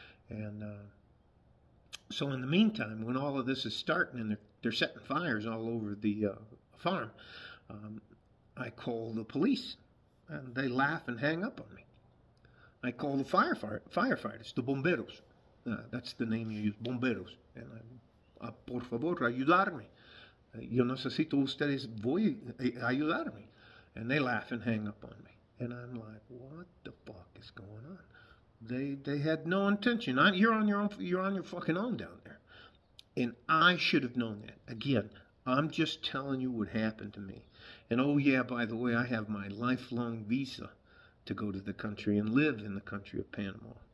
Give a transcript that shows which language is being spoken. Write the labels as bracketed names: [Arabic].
[English] And so in the meantime, when all of this is starting and they're setting fires all over the farm, I call the police, and they laugh and hang up on me. I call the firefighters, the bomberos. That's the name you use, bomberos. And I'm, [Spanish] por favor, ayudarme. Yo necesito ustedes voy ayudarme. [English] And they laugh and hang up on me. And I'm like, what the fuck is going on? They had no intention. You're on your fucking own down there. And I should have known that. Again, I'm just telling you what happened to me. And oh yeah, by the way, I have my lifelong visa to go to the country and live in the country of Panama.